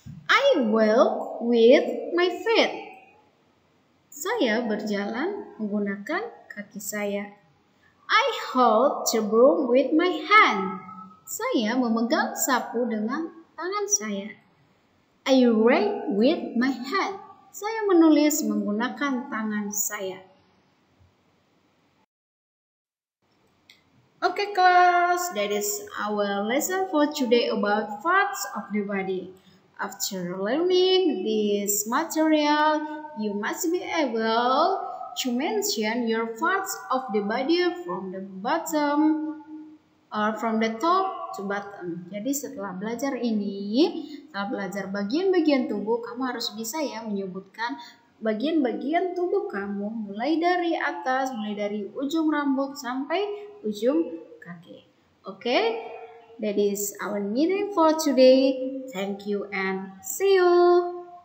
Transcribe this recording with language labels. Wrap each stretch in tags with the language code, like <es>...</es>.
<en>I walk with my feet.</en> <id>Saya berjalan menggunakan kaki saya.</id> <en>I hold the broom with my hand.</en> <id>Saya memegang sapu dengan tangan saya.</id> <en>I write with my hand.</en> <id>Saya menulis menggunakan tangan saya.</id> <en>Okay, class, that is our lesson for today about parts of the body. After learning this material, you must be able to mention your parts of the body from the bottom or from the top to bottom.</en> <id>Jadi setelah belajar ini, setelah belajar bagian-bagian tubuh, kamu harus bisa ya menyebutkan bagian-bagian tubuh kamu mulai dari atas, mulai dari ujung rambut sampai ujung kaki.</id> <en>Okay, that is our meeting for today. Thank you and see you.</en>